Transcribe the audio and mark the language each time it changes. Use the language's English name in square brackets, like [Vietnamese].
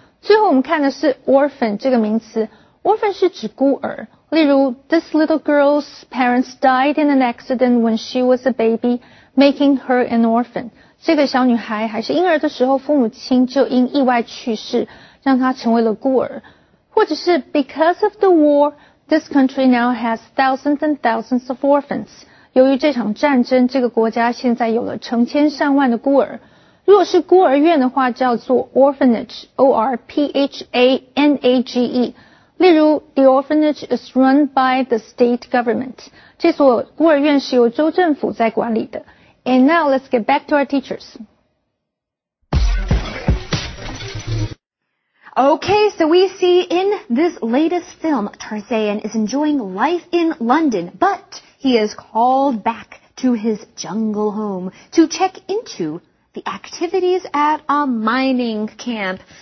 [Chinese] 最后我们看的是 orphan这个名词, orphan是指孤儿, 例如 [English] This little girl's parents died in an accident when she was a baby, making her an orphan. [Chinese] 这个小女孩还是婴儿的时候父母亲就因意外去世, 让她成为了孤儿。 或者是 [English] Because of the war, This country now has thousands and thousands of orphans. [Chinese] 由于这场战争，这个国家现在有了成千上万的孤儿。如果是孤儿院的话，叫做 orphanage, O-R-P-H-A-N-A-G-E。例如 [English] ,the orphanage is run by the state government. [Chinese] 这所孤儿院是由州政府在管理的。 [English] And now let's get back to our teachers. Okay, so we see in this latest film, Tarzan is enjoying life in London, but he is called back to his jungle home to check into the activities at a mining camp.